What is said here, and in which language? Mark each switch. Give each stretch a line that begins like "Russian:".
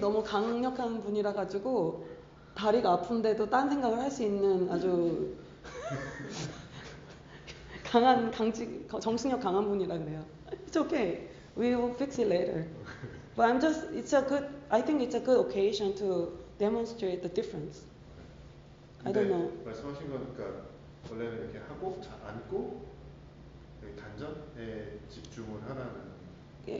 Korean: 너무 강력한 분이라 가지고 다리가 아픈데도 딴 생각을 할 수 있는 아주 강한 정신력 강한 분이라네요.
English: It's okay. We will fix it later. But I'm just, it's a good, I think it's a good occasion to demonstrate the difference. I don't know.
Korean: 말씀하신 거니까 원래는 이렇게 하고 잘 안고 단전에 집중을 하라는.